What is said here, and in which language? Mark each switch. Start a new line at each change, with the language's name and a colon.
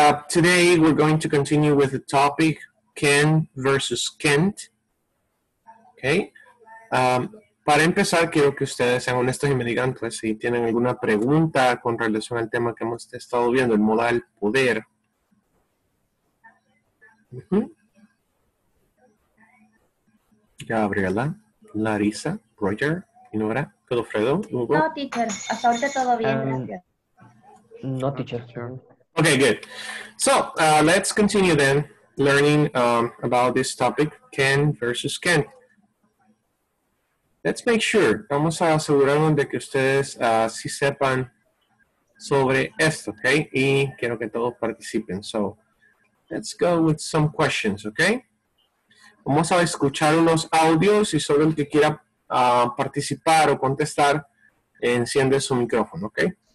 English: Today, we're going to continue with the topic Ken versus Kent. Okay.
Spanish: Para empezar, quiero que ustedes sean honestos y me digan, pues, si tienen alguna pregunta con relación al tema que hemos estado viendo, el modal poder. Gabriela, Larissa, Roger, Inora, Godofredo, Hugo. No, teacher. Hasta ahorita todo bien, gracias.
English: No, teacher. Okay, good. So, let's continue then learning about this topic, Ken versus Ken. Let's make sure.
Spanish: Vamos a asegurarnos de que ustedes sí sepan sobre esto, okay? Y quiero que todos participen.
English: So, let's go with some questions, okay?
Spanish: Vamos a escuchar unos audios y solo el que quiera participar o contestar enciende su micrófono, okay?